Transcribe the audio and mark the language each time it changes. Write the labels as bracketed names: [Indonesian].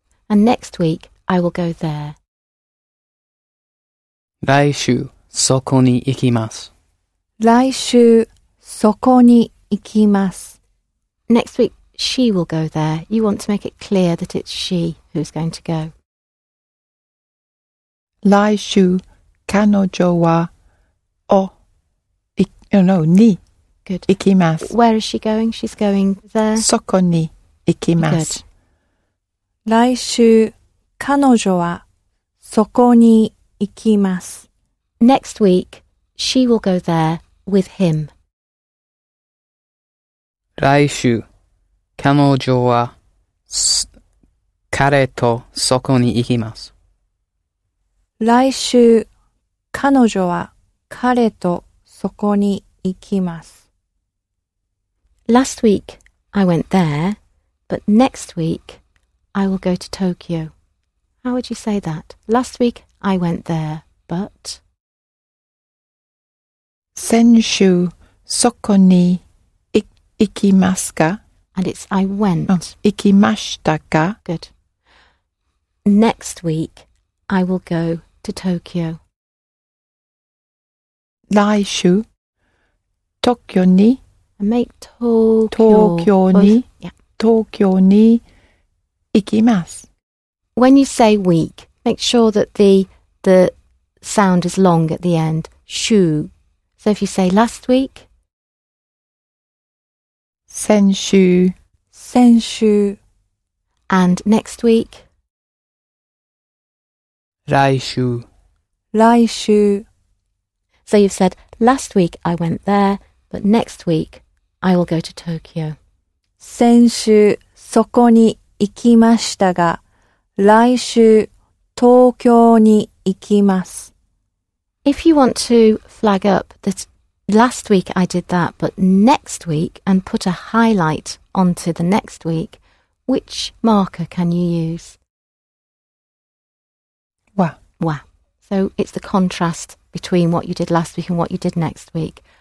[English] And next week, I will go there. [Japanese] 来週そこに行きます。来週そこに行きます。 [English] Next week, she will go there. You want to make it clear that it's she who's going to go. [Japanese] 来週彼女はお、 [English] oh, no, [Japanese] に [English] Good. [Japanese] 行きます。 [English] Where is she going? She's going there. [Japanese] そこに行きます。 [English] Good. [Japanese] 来週彼女はそこに行きます。 [English] Next week, she will go there. With him. [Japanese] 来週彼女は彼とそこに行きます。来週彼女は彼とそこに行きます。 [English] Last week I went there, but next week I will go to Tokyo. How would you say that? Last week I went there, but... [Japanese] 先週そこに行きますか? [English] And it's I went. [Japanese] Oh, 行きましたか? [English] Good. Next week I will go to Tokyo. [Japanese] 来週 Tokyo に [English] I make Tokyo [Japanese] に Tokyo に行きます。 [English] When you say week, make sure that the sound is long at the end. 週 So if you say last week, [Japanese] 先週先週 [English] And next week, [Japanese] 来週来週 [English] So you've said last week I went there, but next week I will go to Tokyo. [Japanese] 先週そこに行きましたが、来週東京に行きます。 [English] If you want to flag up that last week I did that, but next week, and put a highlight onto the next week, which marker can you use? [Japanese] Wa. Wa. [English] So it's the contrast between what you did last week and what you did next week.